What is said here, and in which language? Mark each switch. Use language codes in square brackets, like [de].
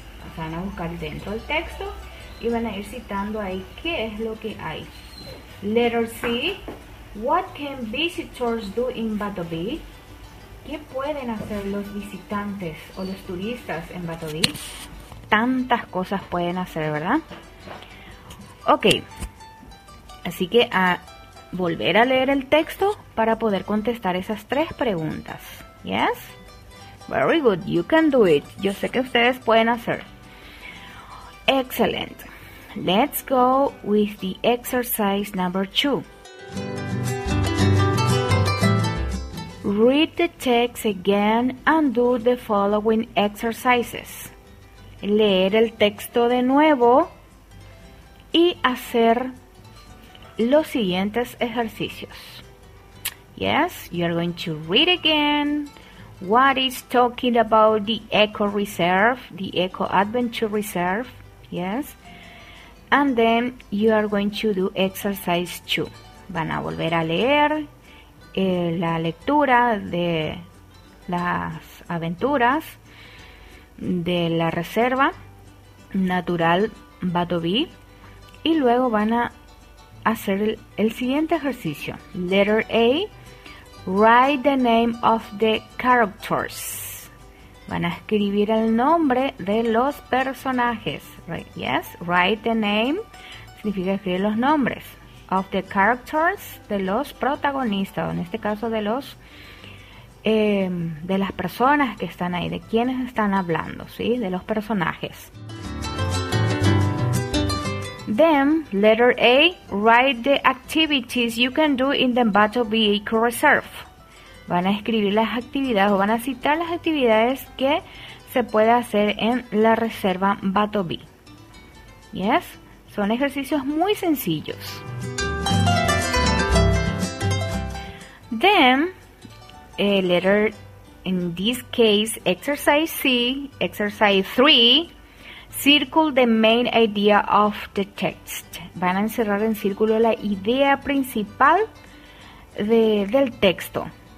[es] O sea, van a buscar dentro del texto y van a ir citando ahí qué es lo que hay. [en] Letter C, what can visitors do in Bartleby? [es] ¿Qué pueden hacer los visitantes o los turistas en Bartleby? Tantas cosas pueden hacer, ¿verdad? Ok, así que a volver a leer el texto para poder contestar esas 3 preguntas. [en] ¿Yes? Very good, you can do it. [es] Yo sé que ustedes pueden hacer. [en] Excellent. Let's go with the exercise number 2. Read the text again and do the following exercises. Leer el texto de nuevo y hacer los siguientes ejercicios. Yes, you are going to read again. What is talking about the Echo Reserve, the Echo Adventure Reserve? Yes, and then you are going to do exercise 2. [es] Van a volver a leer la lectura de las aventuras de la reserva natural Bartleby y luego van a hacer el siguiente ejercicio. [en] Letter A, write the name of the characters. [es] Van a escribir el nombre de los personajes. [en] Right? Yes, write the name [es] significa escribir los nombres [en] of the characters, [es] de los protagonistas, o en este caso de los de las personas que están ahí, de quienes están hablando, ¿sí? De los personajes. [en] Then, letter A, write the activities you can do in the Bartleby Echo Reserve. [es] Van a escribir las actividades o van a citar las actividades que se puede hacer en la reserva Bartleby. ¿Yes? Son ejercicios muy sencillos. [en] Then, letter, in this case, exercise C, exercise 3, circle the main idea of the text. [es] Van a encerrar en círculo la idea principal del texto.